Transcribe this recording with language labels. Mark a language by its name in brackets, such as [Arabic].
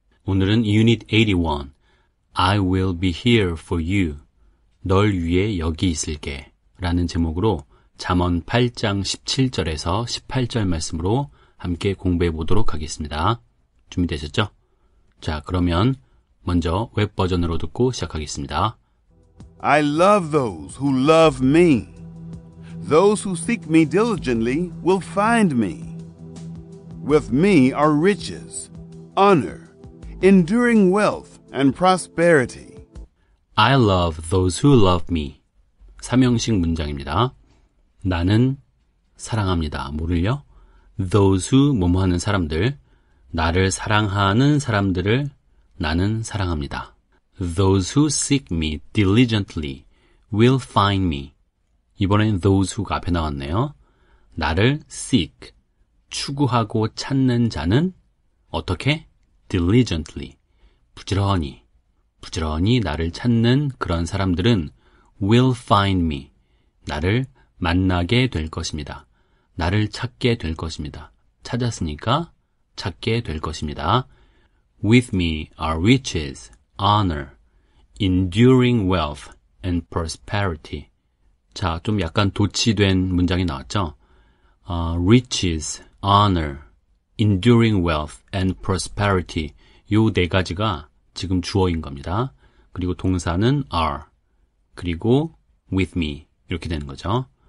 [Korean] 오늘은 Unit 81, [English] I will be here for you, [Korean] 널 위해 여기 있을게 라는 제목으로 잠언 8장 17절에서 18절 말씀으로 함께 공부해 보도록 하겠습니다. 준비되셨죠? 자, 그러면 먼저 웹 버전으로 듣고 시작하겠습니다. [English] I love those who love me. Those who seek me diligently will find me. With me are riches, honor, enduring wealth and prosperity. I love those who love me. [Korean] 3형식 문장입니다. 나는 사랑합니다. 뭐를요? Those who 뭐뭐 하는 사람들. 나를 사랑하는 사람들을 나는 사랑합니다. [English] Those who seek me diligently will find me. [Korean] 이번엔 those who가 앞에 나왔네요. 나를 seek, 추구하고 찾는 자는 어떻게? Diligently, 부지런히. 부지런히 나를 찾는 그런 사람들은 [English] will find me. [Korean] 나를 만나게 될 것입니다. 나를 찾게 될 것입니다. 찾았으니까 찾게 될 것입니다. [English] With me are riches, honor, enduring wealth, and prosperity. [Korean] 자, 좀 약간 도치된 문장이 나왔죠? [English] Riches, honor, enduring wealth, and prosperity. [Korean] 요 네 가지가 지금 주어인 겁니다. 그리고 동사는 are, 그리고 with me 이렇게 되는 거죠.